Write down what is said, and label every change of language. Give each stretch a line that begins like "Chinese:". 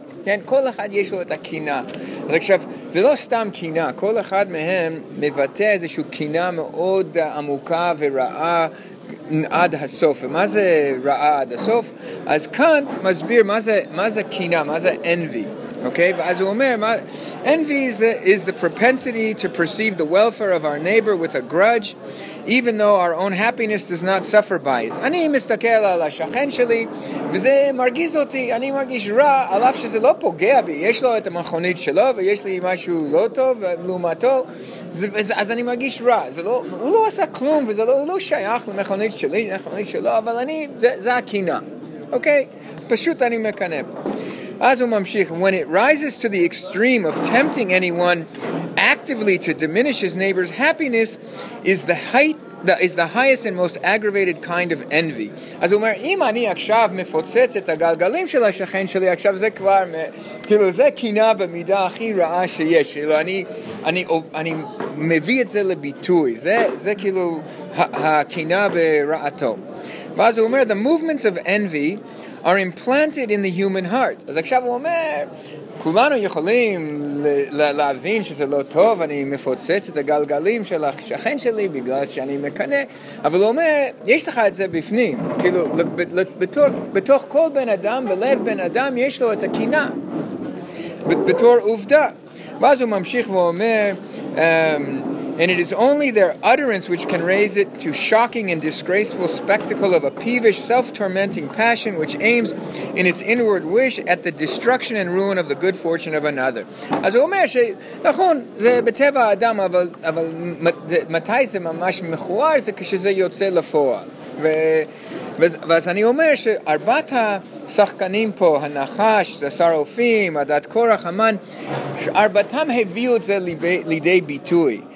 Hebrew: כן, כל אחד יש לו את הקנאה. עכשיו, זה לא סתם קנאה, כל אחד מהם מבטא איזושהי קנאה מאוד עמוקה ורעה עד הסוף. ומה זה רעה עד הסוף? אז קאנט מסביר מה זה קנאה, מה זה envy.
English: Okay, but as we say, envy is the propensity to perceive the welfare of our neighbor with a grudge, even though our own happiness does not suffer by it.
Hebrew: אני מסתכל על השכן שלי, וזה מרגיז אותי, אני מרגיש רע, על אף שזה לא פוגע בי, יש לו את המכונית שלו, ויש לי משהו לא טוב, לעומתו, אז אני מרגיש רע. הוא לא עשה כלום, וזה לא שייך למכונית שלי, למכונית שלו, אבל זה הקינה. Okay? פשוט אני מקנא בו. אז הוא ממשיך,
English: when it rises to the extreme of tempting anyone actively to diminish his neighbor's happiness is the highest and most aggravated kind of envy.
Hebrew: אז הוא אומר, אם אני עכשיו מפוצץ את הגלגלים של השכן שלי, עכשיו זה כבר, כאילו זה קינה במידה הכי רעה שיש, כאילו אני מביא את זה לביטוי, זה כאילו הקינה ברעתו. ואז הוא אומר,
English: the movements of envy are implanted in the human heart.
Hebrew: אז עכשיו הוא אומר, כולנו יכולים להבין שזה לא טוב, אני מפוצץ את הגלגלים של השכן שלי בגלל שאני מקנה, אבל הוא אומר, יש לך את זה בפנים, כאילו, בתוך כל בן אדם, בלב בן אדם, יש לו את הקינה, בתור עובדה. ואז הוא ממשיך ואומר,
English: and it is only their utterance which can raise it to shocking and disgraceful spectacle of a peevish, self-tormenting passion which aims in its inward wish at the destruction and ruin of the good fortune of another.
Hebrew: אז הוא אומר ש... נכון, זה בטבע האדם, אבל מתי זה ממש מכוער? זה כשזה יוצא לפועל. ואז אני אומר שארבעת השחקנים פה, הנחש, שר אופים, הדת קורח, המן, ארבעתם הביאו את זה לידי ביטוי.